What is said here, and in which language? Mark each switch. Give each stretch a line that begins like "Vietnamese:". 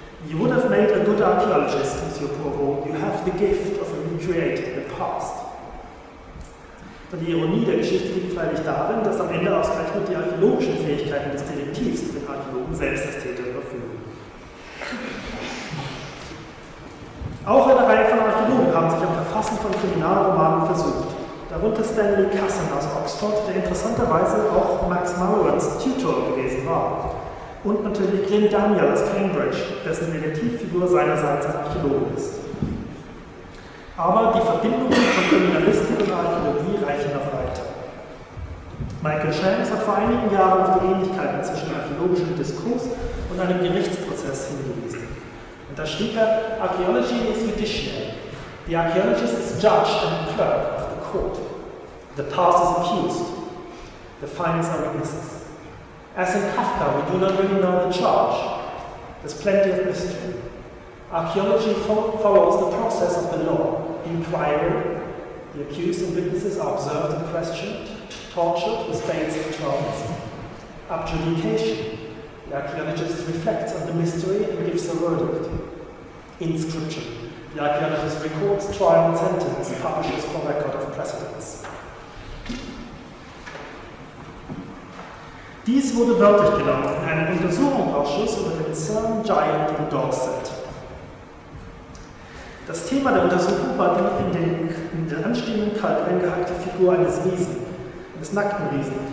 English: You would have made a good archaeologist, Monsieur Poirot. You have the gift of recreating the past.
German: Die Ironie der Geschichte liegt freilich darin, dass am Ende ausgerechnet die archäologischen Fähigkeiten des Detektivs den Archäologen selbst als Täter überführen. Auch eine Reihe von Archäologen haben sich am Verfassen von Kriminalromanen versucht. Darunter Stanley Cassin aus Oxford, der interessanterweise auch Max Marwans Tutor gewesen war. Und natürlich Glyn Daniel aus Cambridge, dessen Detektivfigur seinerseits ein Archäologe ist. Aber die Verbindungen von Kriminalistik und Archäologie reichen noch weiter. Michael Shanks hat vor einigen Jahren auf die Ähnlichkeiten zwischen archäologischem Diskurs und einem Gerichtsprozess hingewiesen. Und da steht da,
English: archaeology is judicial. The archaeologist is judge and clerk of the court. The past is accused. The findings are witnesses. As in Kafka, we do not really know the charge. There's plenty of mystery. Archaeology follows the process of the law. Inquiry, the accused and witnesses are observed and questioned, tortured with spades and trowels. Adjudication, the archaeologist reflects on the mystery and gives a verdict. Inscription, the archaeologist records trial and sentence and publishes for record of precedence.
German: Dies wurde wörtlich genommen in einem Untersuchungsausschuss über den CERN Giant in Dorset. Das Thema der Untersuchung war die in den anstehenden Kalk eingehackte Figur eines Riesen, eines nackten Riesen.